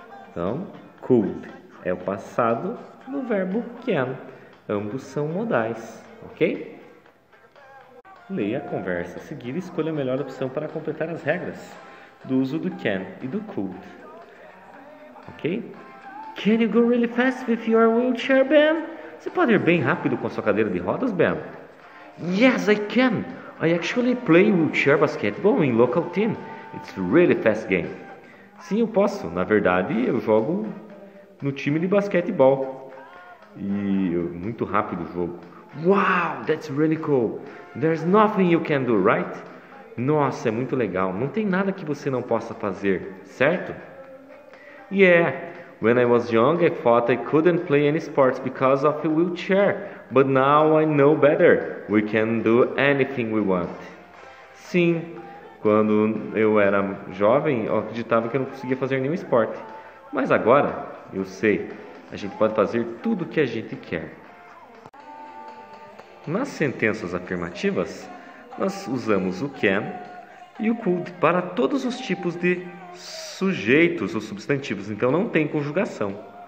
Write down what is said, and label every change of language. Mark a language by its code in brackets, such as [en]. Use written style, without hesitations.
[pt] Então, could é o passado no verbo can. Ambos são modais, ok? Leia a conversa a seguir e escolha a melhor opção para completar as regras do uso do can e do could. Ok? [en] Can you go really fast with your wheelchair, Ben? [pt] Você pode ir bem rápido com a sua cadeira de rodas, Ben? [en] Yes, I can. I actually play wheelchair basketball in local team. It's really fast game. [pt] Sim, eu posso. Na verdade, eu jogo no time de basquetebol. E é muito rápido o jogo. [en] Wow, that's really cool. There's nothing you can do, right? [pt] Nossa, é muito legal. Não tem nada que você não possa fazer, certo? [en] Yeah, when I was young, I thought I couldn't play any sports because of a wheelchair. But now I know better. We can do anything we want. [pt] Sim, quando eu era jovem, eu acreditava que eu não conseguia fazer nenhum esporte. Mas agora eu sei. A gente pode fazer tudo o que a gente quer. Nas sentenças afirmativas, nós usamos o can e o could para todos os tipos de sujeitos ou substantivos, então não tem conjugação.